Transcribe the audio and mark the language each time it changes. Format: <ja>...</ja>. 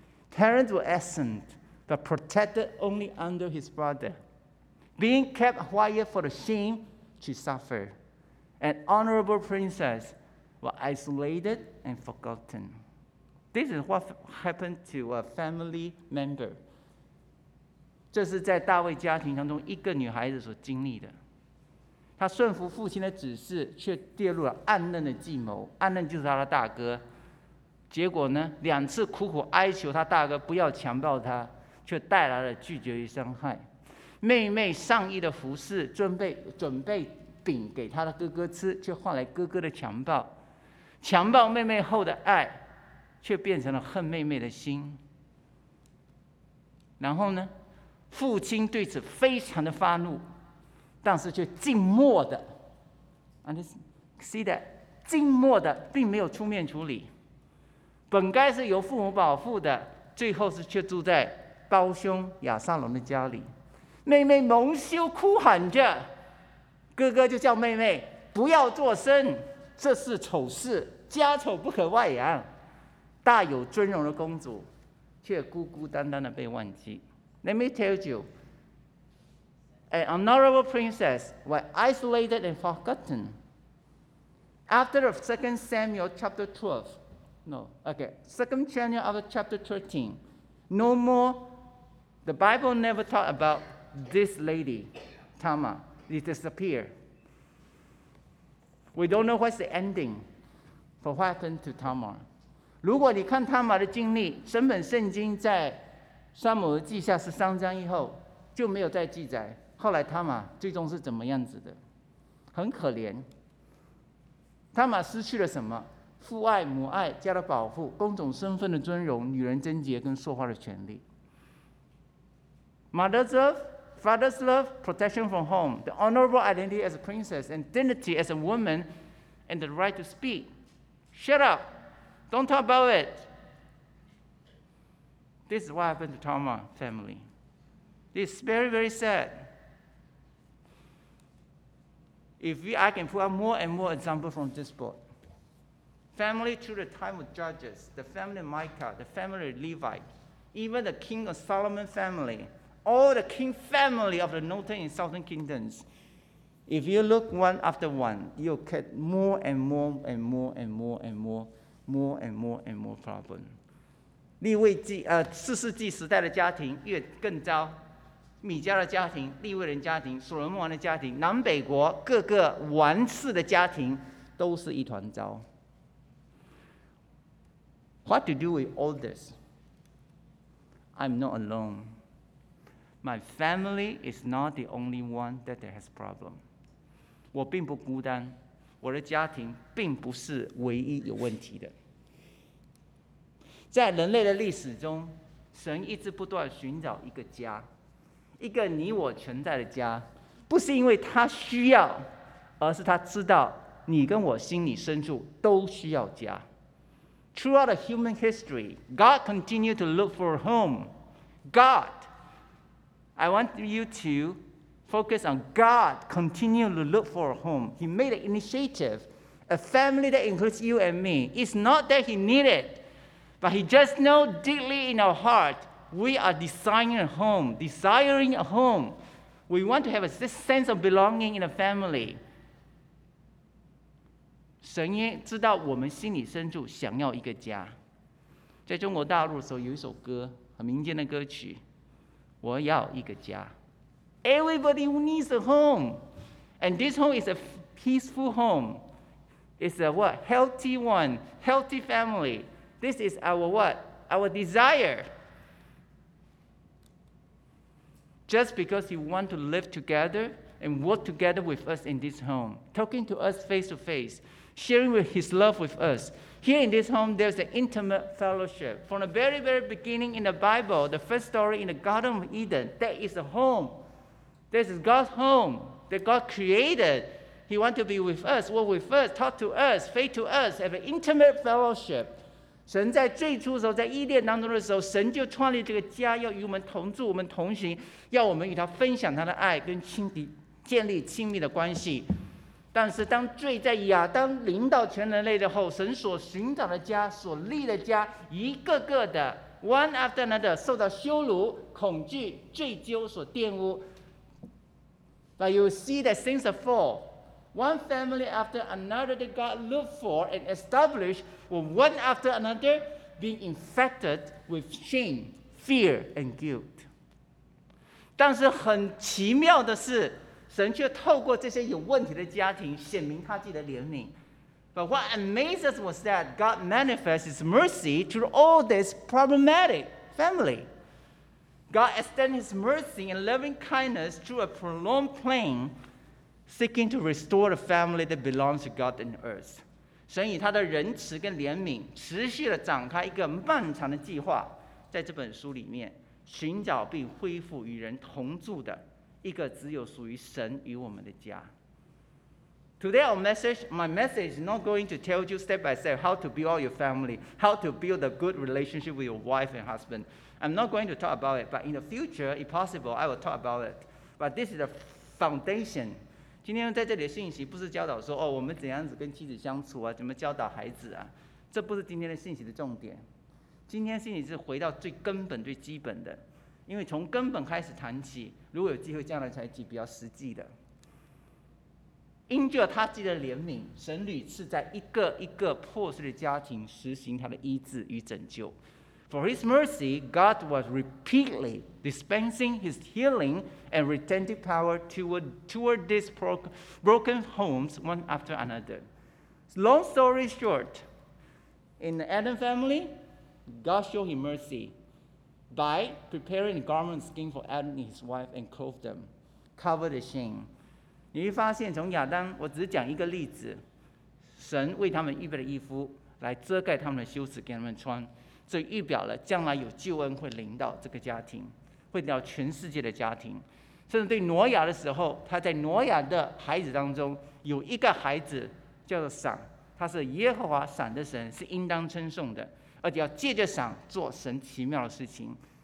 <en>Parents were absent, but protected only under his brother. Being kept quiet for the shame she suffered. An honorable princess was isolated and forgotten. This is what happened to a family member.</en> <zh>这是在大卫家庭当中一个女孩子所经历的。她顺服父亲的指示，却跌入了暗嫩的计谋。暗嫩就是她的大哥。结果呢，两次苦苦哀求她大哥不要强暴她，却带来了拒绝与伤害。妹妹善意的服侍，准备饼给她的哥哥吃，却换来哥哥的强暴。强暴妹妹后的爱，却变成了恨妹妹的心。然后呢？父亲对此非常的发怒，但是却静默的 ，</zh> <en>see that</en> <zh>静默的，并没有出面处理。本该是由父母保护的，最后是却住在胞兄亚撒龙的家里。妹妹蒙羞哭喊着，哥哥就叫妹妹不要作声，这是丑事，家丑不可外扬。大有尊荣的公主，却孤孤单单的被忘记。</zh> <en>Let me tell you, an honorable princess was isolated and forgotten. After the 2 Samuel chapter 12, no, okay, 2 Samuel of chapter 13, no more, the Bible never talked about this lady, Tamar. It disappeared. We don't know what's the ending for what happened to Tamar.</en> <zh>如果你看 Tamar 的经历，整本圣经在撒母耳记下十三章以后就没有再记载后来他玛最终是怎么样子的，很可怜。他玛失去了什么？父爱、母爱、家的保护、公主身份的尊荣、女人贞洁跟说话的权利。</zh> <en>Mother's love, father's love, protection from home, the honorable identity as a princess and dignity as a woman and the right to speak. Shut up, don't talk about itThis is what happened to Tamar family. It's very, very sad. I can pull out more and more examples from this book. Family through the time of Judges, the family of Micah, the family of Levi, even the king of Solomon family, all the king family of the northern and southern kingdoms. If you look one after one, you'll get more and more and more and more and more, more and more and more problems.</en> <zh>利未记四世纪时代的家庭越更糟，米迦的家庭、利未人家庭、所罗门王的家庭、南北国各个王室的家庭都是一团糟。</zh> <en>What to do with all this? I'm not alone. My family is not the only one that has problem.</en> <zh>我并不孤单，我的家庭并不是唯一有问题的。在人类的历史中，神一直不断寻找一个家，一个你我存在的家，不是因为他需要，而是他知道你跟我心里深处都需要家。</zh> <en>Throughout human history, God continued to look for a home. God, I want you to focus on God continuing to look for a home. He made an initiative, a family that includes you and me. It's not that he needed, but he just knows deeply in our heart, we are desiring a home. We want to have this sense of belonging in a family.</en> <zh>神也知道我们心里深处想要一个家。在中国大陆的时候，有一首歌，很民间的歌曲，我要一个家。</zh> <en>Everybody who needs a home, and this home is a peaceful home. It's a what? Healthy one, healthy family. This is our what? Our desire. Just because you want to live together and work together with us in this home, talking to us face to face,sharing with his love with us. Here in this home, there's an intimate fellowship. From the very, very beginning in the Bible, the first story in the Garden of Eden, that is a home. This is God's home that God created. He wants to be with us, work with us, talk to us, faith to us, have an intimate fellowship.</en> <zh>神在最初的时候，在伊甸当中的时候，神就创立这个家，要与我们同住，我们同行，要我们与他分享他的爱，跟亲敌建立亲密的关系。但是当罪在亚当临到全人类的后，神所寻找的家，所立的家，一个个的</zh> <en>one after another</en> <zh>受到羞辱、恐惧、罪疚所玷污。</zh> <en>But you see that since the fall, one family after another that God looked for and established were one after another being infected with shame, fear and guilt.</en> <zh>但是很奇妙的是，神却透过这些有问题的家庭显明他自己的怜悯。</zh> <en>But what amazed us was that God manifests his mercy to all this problematic family. God extends his mercy and loving kindness through a prolonged plan seeking to restore the family that belongs to God and earth.</en> <zh>神以他的仁慈跟怜悯持续地展开一个漫长的计划，在这本书里面寻找并恢复与人同住的一个只有属于神与我们的家。</zh> <en>Today our message, my message is not going to tell you step by step how to build all your family, how to build a good relationship with your wife and husband. I'm not going to talk about it, but in the future, if possible, I will talk about it. But this is the foundation.</en> <zh>今天在这里的信息不是教导说，哦，我们怎样子跟妻子相处啊，怎么教导孩子啊，这不是今天的信息的重点。今天信息是回到最根本最基本的，因为从根本开始谈起，如果有机会将来才是比较实际的。因着他自己的怜悯，神屡次在一个一个破碎的家庭实行他的医治与拯救。</zh> <en>For his mercy, God was repeatedly dispensing his healing and redemptive power toward these broken homes one after another. Long story short, in the Adam family, God showed him mercyby preparing a garment skin for Adam and his wife and clothed them, covered the shame.</en> <zh>你会发现从亚当，我只讲一个例子，神为他们预备了衣服来遮盖他们的羞耻给他们穿，这预表了将来有救恩会临到这个家庭，会到全世界的家庭。甚至对挪亚的时候，他在挪亚的孩子当中有一个孩子叫做闪，他是耶和华闪的神，是应当称颂的，而且要借着赏做神奇妙的事情。</zh>